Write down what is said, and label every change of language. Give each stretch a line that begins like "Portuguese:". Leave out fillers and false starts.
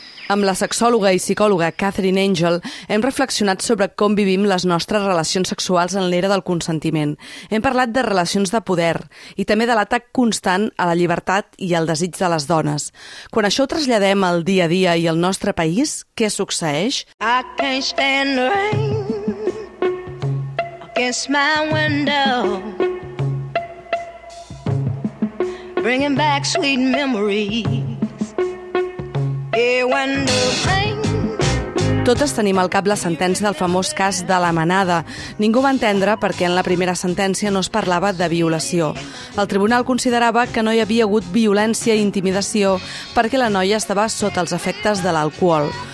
Catalan: Amb la sexòloga i psicòloga Catherine Angel hem reflexionat sobre com vivim les nostres relacions sexuals en l'era del consentiment. Hem parlat de relacions de poder i també de l'atac constant a la llibertat i al desig de les dones. Quan això ho traslladem al dia a dia i al nostre país, què succeeix?
English: I can't stand the rain against my window, bringing back sweet memories.
Catalan: Totes tenim al cap la sentència del famós cas de la Manada. Ningú va entendre perquè en la primera sentència no es parlava de violació. El tribunal considerava que no hi havia hagut violència i intimidació perquè la noia estava sota els efectes de l'alcohol.